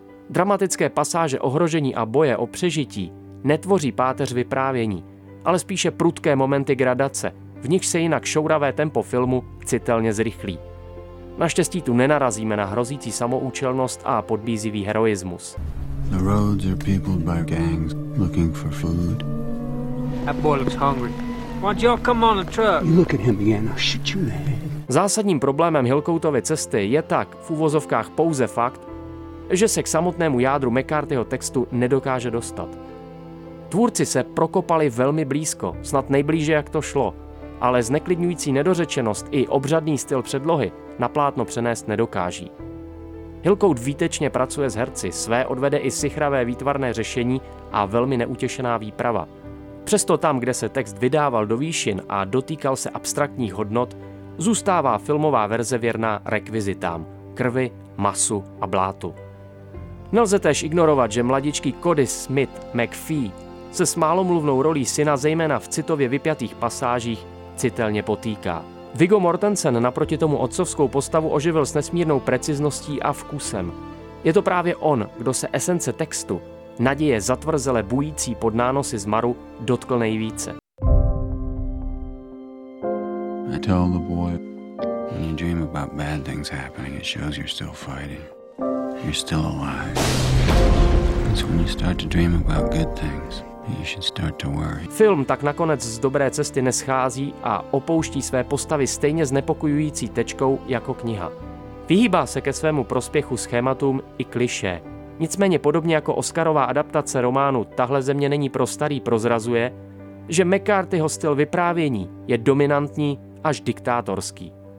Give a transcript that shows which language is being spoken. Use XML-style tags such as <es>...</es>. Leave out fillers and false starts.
<cs>Dramatické pasáže ohrožení a boje o přežití netvoří páteř vyprávění, ale spíše prudké momenty gradace, v nichž se jinak šouravé tempo filmu citelně zrychlí. Naštěstí tu nenarazíme na hrozící samoúčelnost a podbízivý heroismus.</cs> <en>The roads are peopled by gangs looking for food. That boy looks hungry. Why don't you all come on the truck? You look at him again, I'll shoot you in the head.</en> <cs>Zásadním problémem Hillcoatovy cesty je tak, v uvozovkách pouze fakt, že se k samotnému jádru McCarthyho textu nedokáže dostat. Tvůrci se prokopali velmi blízko, snad nejblíže jak to šlo, ale zneklidňující nedořečenost i obřadný styl předlohy na plátno přenést nedokáží. Hillcoat výtečně pracuje s herci, své odvede i sichravé výtvarné řešení a velmi neutěšená výprava. Přesto tam, kde se text vydával do výšin a dotýkal se abstraktních hodnot, zůstává filmová verze věrná rekvizitám, krvi, masu a blátu. Nelze též ignorovat, že mladičký Cody Smith McPhee se s málomluvnou rolí syna zejména v citově vypjatých pasážích citelně potýká. Viggo Mortensen naproti tomu otcovskou postavu oživil s nesmírnou precizností a vkusem. Je to právě on, kdo se esence textu, naděje zatvrzele bující pod nánosy zmaru, dotkl nejvíce.</cs> <en>I tell the boy, when you dream about bad things happening, it shows you're still fighting. You're still alive. It's when you start to dream about good things.</en> <cs>Film tak nakonec z dobré cesty neschází a opouští své postavy stejně znepokojující tečkou jako kniha. Vyhýbá se ke svému prospěchu schématům i klišé. Nicméně podobně jako Oscarová adaptace románu Tahle země není pro starý prozrazuje, že McCarthyho styl vyprávění je dominantní až diktátorský.</cs>